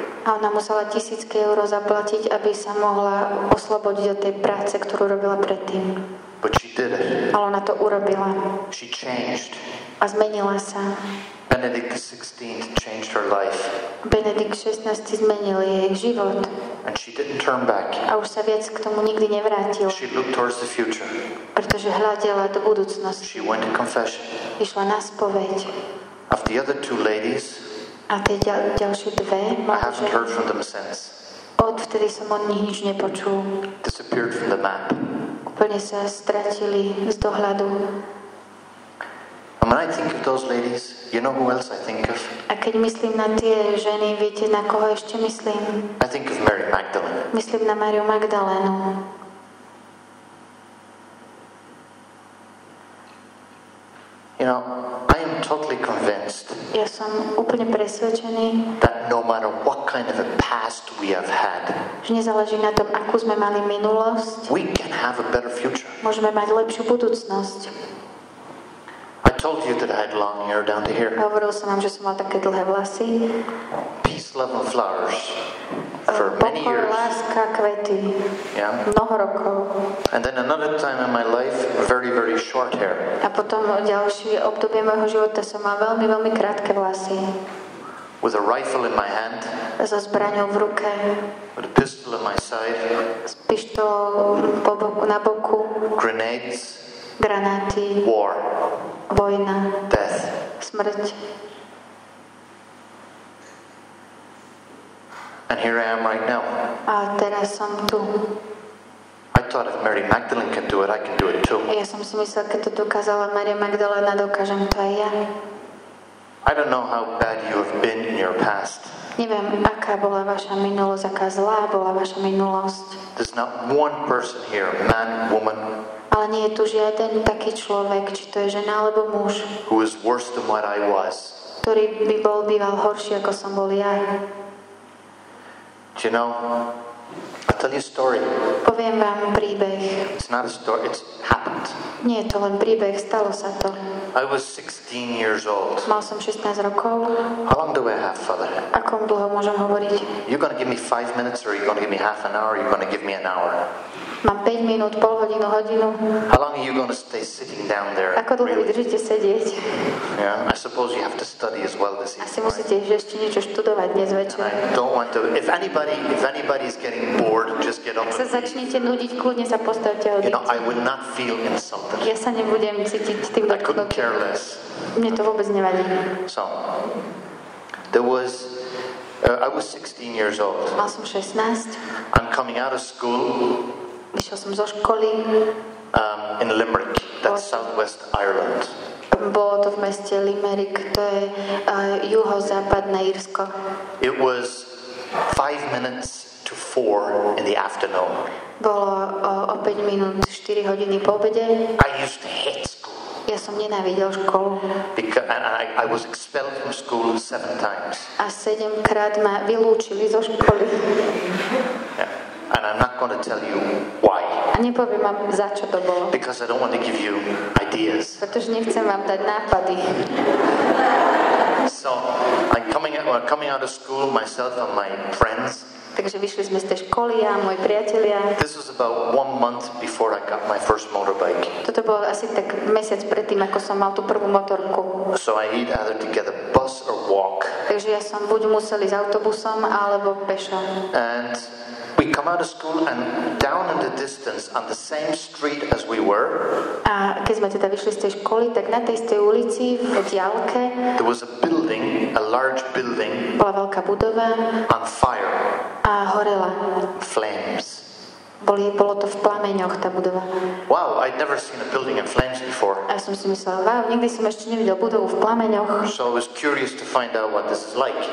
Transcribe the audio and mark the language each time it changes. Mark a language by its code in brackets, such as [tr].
[sk] A ona musela tisícky euro zaplatiť, aby sa mohla oslobodiť od tej práce, ktorú robila predtým. [en] But she did it. [sk] Ale ona to urobila. [en] She changed. [sk] A zmenila sa. [en] Benedict XVI changed her life. [sk] Benedikt 16 zmenil jej život. [en] And she didn't turn back. [sk] A už sa viac k tomu nikdy nevrátil. [en] She looked towards the future. [sk] Pretože hľadela do budúcnosti. [en] She went to confession. [sk] Išla na spoveď. [en] Of the other two ladies. [sk] A tie ďalšie dve. [en] I haven't heard from them since. [sk] Odvtedy som od nich nič nepočul. [en] Disappeared from the map. [sk] Úplne sa stratili z dohľadu. [en] And when I think of those ladies, you know who else I think of? [sk] A keď myslím na tie ženy, viete, na koho ešte myslím? [en] I think of Mary Magdalene. [sk] Myslím na Máriu Magdalénu. [en] You know, I am totally convinced. [sk] Ja som úplne presvedčený. [en] That no matter what kind of a past we have had. [sk] Že nezáleží na tom, akú sme mali minulosť. [en] We can have a better future. [sk] Môžeme mať lepšiu budúcnosť. [en] I told you that I had long hair down to here. [sk] Hovoril som vám, že som mal také dlhé vlasy. [en] Peace, love and flowers for many years. [sk] Pokor, láska, kvety. [en] Yeah. [sk] Mnoho rokov. [en] And then another time in my life, very, very short hair. [sk] A potom ďalšie obdobie mojho života som mal veľmi, veľmi krátke vlasy. [en] With a rifle in my hand. [sk] So zbraňou v ruke. [en] With a pistol in my side. [sk] S pištolou na boku. [en] Grenades. [sk] Granáty. [en] War. [sk] Vojna. [en] Death. [sk] Smrť. [en] And here I am right now. [sk] A teraz som tu. [en] I thought if Mary Magdalene can do it, I can do it too. [sk] Ja som si myslel, keď to dokázala Maria Magdalena, dokážem to aj ja. [en] I don't know how bad you have been in your past. [sk] Neviem, aká bola vaša minulosť, aká zlá bola vaša minulosť. [en] There's not one person here, man, woman. [sk] Ale nie je tu žiaden taký človek, či to je žena alebo muž. [en] Who is worse than what I was. [sk] Ktorý by bol býval horší, ako som bol ja. [en] Do you know? I'll tell you a story. [sk] Poviem vám príbeh. [en] It's not a story, it's happened. [sk] Nie je to len príbeh, stalo sa to. [en] I was 16 years old. [sk] Mal som 16 rokov. [en] How long do I have, Father? [sk] Ako dlho môžem hovoriť? [en] You're going to give me 5 minutes or you're going to give me half an hour or you're going to give me an hour? [sk] Mám 5 minút, pol hodinu, hodinu. [en] How long are you going to stay sitting down there? [sk] Ako dlho [en] really? [sk] Vydržíte sedieť? [en] Yeah, I suppose you have to study as well this evening. [sk] Asi musíte ešte niečo študovať dnes večer. [en] I don't want to. If anybody is getting bored, just get up. [sk] Ak sa začnete nudiť, kľudne sa postavte a odíte. [en] You know, I would not feel insulted. [sk] Ja sa nebudem cítiť tým dotknutým. [en] I couldn't care less. [sk] Mne to vôbec nevadí. [en] So, there was I was 16 years old. [sk] Mal som 16. [en] I'm coming out of school. [sk] Vyšiel som zo školy. [en] In Limerick, that's southwest Ireland. [sk] Bolo to v meste Limerick, to je juhozápadné Írsko. [en] It was 5 minutes to 4 in the afternoon. [sk] Bolo o 5 minút 4 hodiny po obede. [en] I used to hate school. [sk] Ja som nenávidel školu. [en] Because, and I was expelled from school 7 times. [sk] A 7 krát ma vylúčili zo školy. [en] Yeah. And I'm not going to tell you why. [sk] A nepoviem vám, za čo to bolo. [en] Because I don't want to give you ideas. [sk] Pretože nechcem vám dať nápady. [en] So, I'm coming out of school, myself and my friends. [sk] Takže vyšli sme z tej školy, ja, moji priatelia. [en] This was about 1 month before I got my first motorbike. [sk] Toto bolo asi tak mesiac predtým, ako som mal tú prvú motorku. [en] So I need either to get a bus or walk. [sk] Takže ja som buď musel ísť autobusom, alebo pešo. [en] And we come out of school and down in the distance on the same street as we were. [sk] A keď sme teda vyšli z tej školy, tak na tej istej ulici v diaľke. [en] There was a building, a large building. [sk] Bola veľká budova. [en] On fire. [sk] A horela. [en] Flames. [sk] Bolo to v plameňoch tá budova. [en] Wow, I'd never seen a building in flames before. [sk] A som si myslel, wow, nikdy som ešte nevidel budovu v plameňoch. [en] So I was curious to find out what this is like.